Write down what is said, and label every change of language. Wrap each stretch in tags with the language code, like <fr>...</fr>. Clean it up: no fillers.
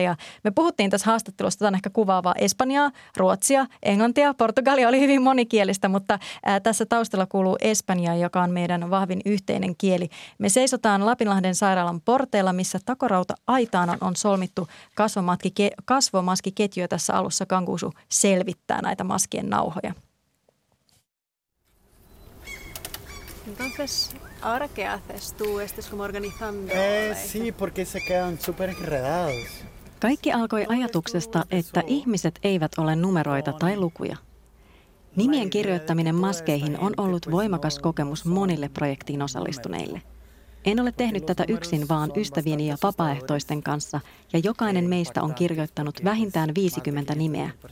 <fi>Ja me puhuttiin tässä haastattelussa, tämä on ehkä kuvaavaa, espanjaa, ruotsia, englantia, portugalia oli hyvin monikielistä, mutta tässä taustalla kuuluu espanja, joka on meidän vahvin yhteinen kieli. Me seisotaan Lapinlahden sairaalan porteilla, missä takorauta-aitaan on solmittu kasvomaskiketjuja. Tässä alussa Gangusu selvittää näitä maskien nauhoja.</fi> <es>Entonces, ahora qué haces tú? Estás como organizando. Sí, porque se quedan súper enredados.</es> <fi>Kaikki alkoi ajatuksesta, että ihmiset eivät ole numeroita tai lukuja. Nimien kirjoittaminen maskeihin on ollut voimakas kokemus monille projektiin osallistuneille. En ole tehnyt tätä yksin, vaan ystävieni ja vapaaehtoisten kanssa, ja jokainen meistä on kirjoittanut vähintään 50 nimeä.</fi>